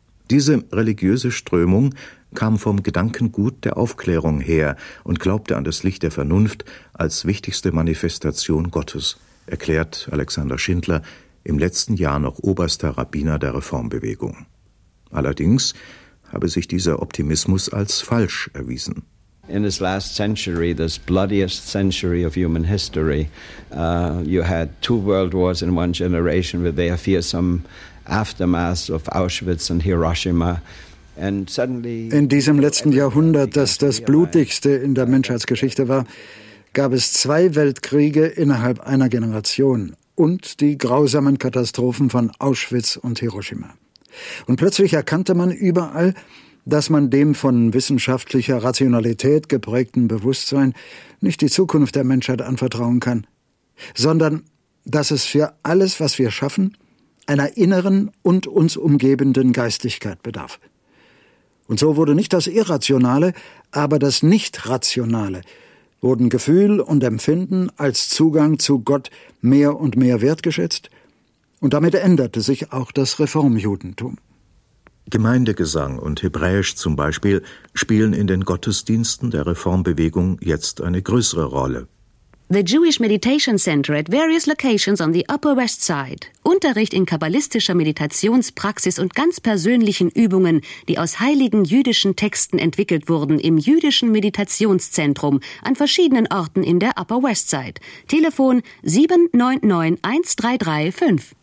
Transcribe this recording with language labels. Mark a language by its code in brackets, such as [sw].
[de] Diese religiöse Strömung kam vom Gedankengut der Aufklärung her und glaubte an das Licht der Vernunft als wichtigste Manifestation Gottes, erklärt Alexander Schindler, im letzten Jahr noch oberster Rabbiner der Reformbewegung. Allerdings habe sich dieser Optimismus als falsch erwiesen. [en] In this last century, this bloodiest century of human history, you had two world wars in one generation with their fearsome aftermaths of Auschwitz and Hiroshima. And suddenly, [de] in diesem letzten Jahrhundert, das das blutigste in der Menschheitsgeschichte war, gab es zwei Weltkriege innerhalb einer Generation und die grausamen Katastrophen von Auschwitz und Hiroshima. Und plötzlich erkannte man überall, dass man dem von wissenschaftlicher Rationalität geprägten Bewusstsein nicht die Zukunft der Menschheit anvertrauen kann, sondern dass es für alles, was wir schaffen, einer inneren und uns umgebenden Geistigkeit bedarf. Und so wurde nicht das Irrationale, aber das Nicht-Rationale, wurden Gefühl und Empfinden als Zugang zu Gott mehr und mehr wertgeschätzt. Und damit änderte sich auch das Reformjudentum. Gemeindegesang und Hebräisch zum Beispiel spielen in den Gottesdiensten der Reformbewegung jetzt eine größere Rolle. [en] The Jewish Meditation Center at various locations on the Upper West Side. [de] Unterricht in kabbalistischer Meditationspraxis und ganz persönlichen Übungen, die aus heiligen jüdischen Texten entwickelt wurden, im jüdischen Meditationszentrum an verschiedenen Orten in der Upper West Side. Telefon 799-1335.